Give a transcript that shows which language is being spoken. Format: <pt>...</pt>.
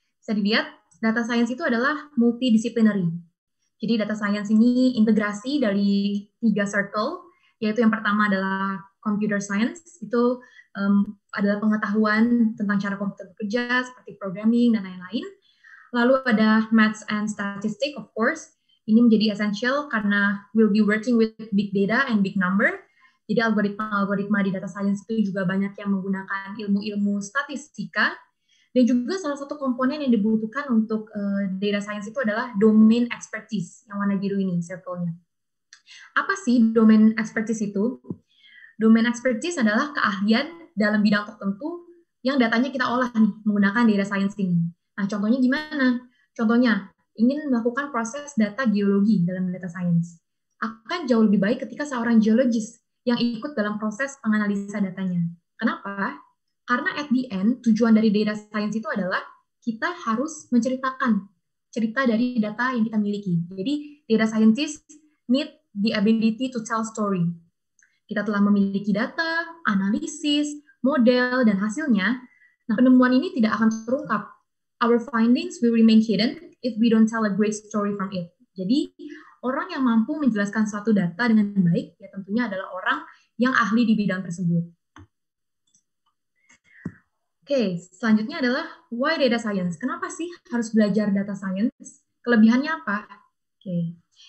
<id>Bisa dilihat, data science itu adalah multidisciplinary. Jadi data science ini integrasi dari tiga circle, yaitu yang pertama adalah computer science, itu adalah pengetahuan tentang cara komputer bekerja, seperti programming dan lain-lain. Lalu ada</id> <en>maths and statistics, of course.</en> <id>Ini menjadi</id> <en>essential</en> <id>karena</id> <en>we'll be working with big data and big number.</en> <id>Jadi algoritma-algoritma di data science itu juga banyak yang menggunakan ilmu-ilmu statistika. Dan juga salah satu komponen yang dibutuhkan untuk data science itu adalah domain expertise, yang warna biru ini, circle-nya. Apa sih domain expertise itu? Domain expertise adalah keahlian dalam bidang tertentu yang datanya kita olah nih, menggunakan data science ini. Nah, contohnya gimana? Contohnya, ingin melakukan proses data geologi dalam data science. Akan jauh lebih baik ketika seorang geologis yang ikut dalam proses penganalisa datanya. Kenapa? Karena</id> <en>at the end,</en> <id>tujuan dari data science itu adalah kita harus menceritakan cerita dari data yang kita miliki. Jadi,</id> <en>data scientist need the ability to tell story.</en> <id>Kita telah memiliki data, analisis, model, dan hasilnya. Nah, penemuan ini tidak akan terungkap.</id> <en>Our findings will remain hidden if we don't tell a great story from it.</en> <id>Jadi, orang yang mampu menjelaskan suatu data dengan baik, ya tentunya adalah orang yang ahli di bidang tersebut. Oke, selanjutnya adalah</id> <en>why data science?</en> <id>Kenapa sih harus belajar data science? Kelebihannya apa? Oke.</id>